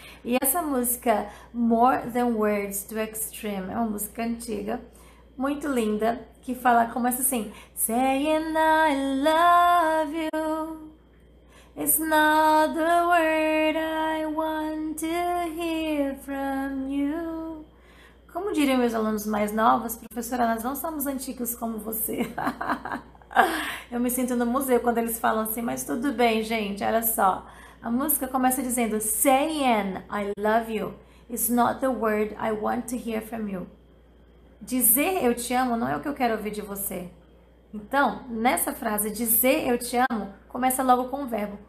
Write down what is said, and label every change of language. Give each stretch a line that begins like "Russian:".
Portuguese: E essa música, More Than Words to Extreme, é uma música antiga, muito linda, que fala, começa assim:
English: Saying I love you is not the word I want to hear from you.
Portuguese: Como diriam meus alunos mais novos, professora, nós não somos antigos como você. Eu me sinto no museu quando eles falam assim, mas tudo bem, gente, olha só. A música começa dizendo:
English: Saying I love you is not the word I want to hear from you.
Portuguese: Dizer eu te amo não é o que eu quero ouvir de você. Então, nessa frase, dizer eu te amo começa logo com o verbo.